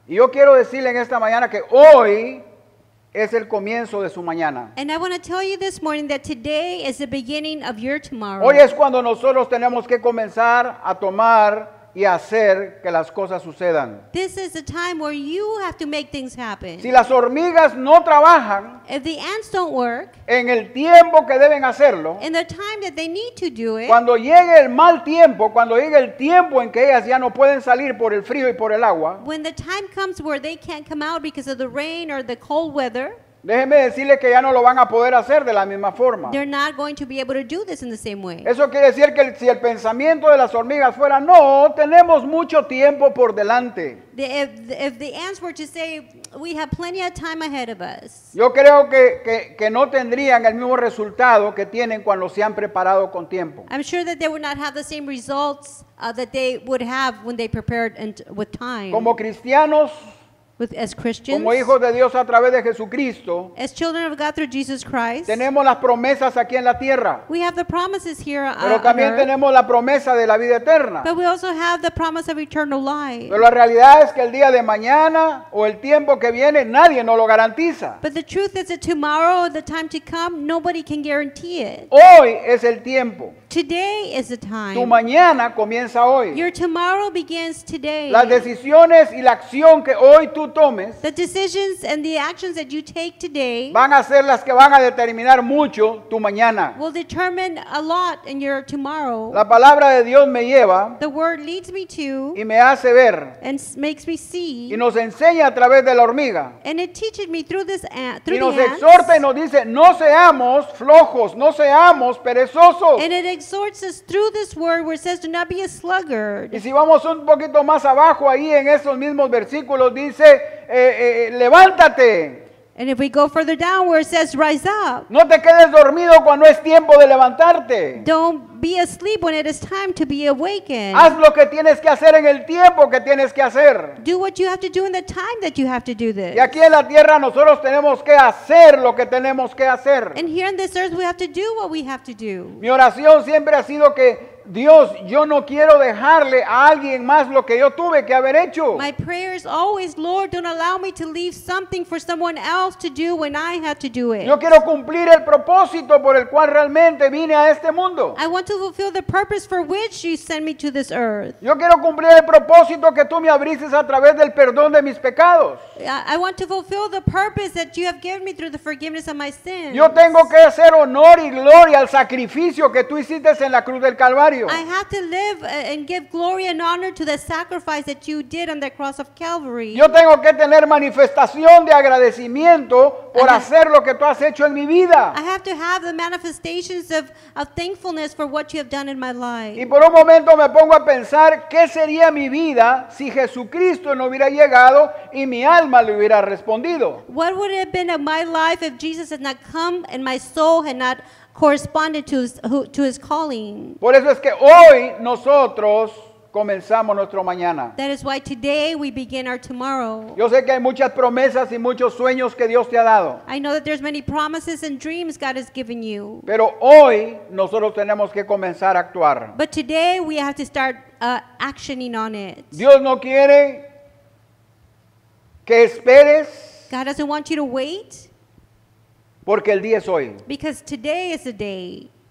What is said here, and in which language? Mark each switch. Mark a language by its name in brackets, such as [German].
[Spanish] Y yo quiero decirle en esta mañana que hoy es el comienzo de su mañana. [English] And I want to tell you this morning that today is the beginning of your tomorrow. [Spanish] Hoy es cuando nosotros tenemos que comenzar a tomar y hacer que las cosas sucedan. [English] This is the time where you have to make things happen. [Spanish] Si las hormigas no trabajan, [English] if the ants don't work, [Spanish] en el tiempo que deben hacerlo, [English] in the time that they need to do it, [Spanish] cuando llegue el mal tiempo, cuando llegue el tiempo en que ellas ya no pueden salir por el frío y por el agua, [English] when the time comes where they can't come out because of the rain or the cold weather, [Spanish] déjenme decirles que ya no lo van a poder hacer de la misma forma. [English] They're not going to be able to do this in the same way. [Spanish] Eso quiere decir que si el pensamiento de las hormigas fuera, no, tenemos mucho tiempo por delante. [English] If the ants were to say, we have plenty of time ahead of us. [Spanish] Yo creo que no tendrían el mismo resultado que tienen cuando se han preparado con tiempo. [English] I'm sure that they would not have the same results that they would have when they prepared and with time. [Spanish] Como cristianos, [English] as Christians, [Spanish] como hijos de Dios a través de Jesucristo, [English] as children of God through Jesus Christ, [Spanish] tenemos las promesas aquí en la tierra. [English] We have the promises here on earth. [Spanish] Pero también tenemos la promesa de la vida eterna. [English] But we also have the promise of eternal life. [Spanish] Pero la realidad es que el día de mañana o el tiempo que viene nadie nos lo garantiza. [English] But the truth is that tomorrow or the time to come, nobody can guarantee it. [Spanish] Hoy es el tiempo. [English] Today is the time. [Spanish] Tu mañana comienza hoy. [English] Your tomorrow begins today. [Spanish] Las decisiones y la acción que hoy tú tomes, [English] the decisions and the actions that you take today, [Spanish] van a ser las que van a determinar mucho tu mañana. [English] Will determine a lot in your tomorrow. [Spanish] La palabra de Dios me lleva, [English] the word leads me to, [Spanish] y me hace ver, [English] and makes me see, [Spanish] y nos enseña a través de la hormiga, [English] and it teaches me through this ant, through the ants, [Spanish] y nos exhorta y nos dice, no seamos flojos, no seamos perezosos. [English] And it exhorts us through this word where it says, do not be a sluggard. [Spanish] Y si vamos un poquito más abajo ahí en esos mismos versículos, dice, levántate. [English] And if we go further down where it says, rise up. [Spanish] No te quedes dormido cuando es tiempo de levantarte. [English] Don't be asleep when it is time to be awakened. [Spanish] Haz lo que tienes que hacer en el tiempo que tienes que hacer. [English] Do what you have to do in the time that you have to do this. [Spanish] Y aquí en la tierra nosotros tenemos que hacer lo que tenemos que hacer. [English] And here in this earth we have to do what we have to do. [Spanish] Mi oración siempre ha sido que, Dios, yo no quiero dejarle a alguien más lo que yo tuve que haber hecho. [English] My prayer is always, Lord, don't allow me to leave something for someone else to do when I had to do it. [Spanish] Yo quiero cumplir el propósito por el cual realmente vine a este mundo. [English] I want to fulfill the purpose for which you sent me to this earth. [Spanish] Yo quiero cumplir el propósito que tú me abriste a través del perdón de mis pecados. [English] I want to fulfill the purpose that you have given me through the forgiveness of my sins. [Spanish] Yo tengo que hacer honor y gloria al sacrificio que tú hiciste en la cruz del Calvario. [English] I have to live and give glory and honor to the sacrifice that you did on the cross of Calvary. [Spanish] Yo tengo que tener manifestación de agradecimiento por hacer lo que tú has hecho en mi vida. [English] I have to have the manifestations of thankfulness for what you have done in my life. [Spanish] Y por un momento me pongo a pensar qué sería mi vida si Jesucristo no hubiera llegado y mi alma le hubiera respondido. [English] What would it have been of my life if Jesus had not come and my soul had not corresponded to his calling. [Spanish] Por eso es que hoy nosotros comenzamos nuestro mañana. [English] That is why today we begin our tomorrow. [Spanish] Yo sé que hay muchas promesas y muchos sueños que Dios te ha dado. [English] I know that there's many promises and dreams God has given you. [Spanish] Pero hoy nosotros tenemos que comenzar a actuar. [English] But today we have to start actioning on it. [Spanish] Dios no quiere que esperes. [English] God doesn't want you to wait. [Spanish] Porque el día es hoy. [English] Because today is the day.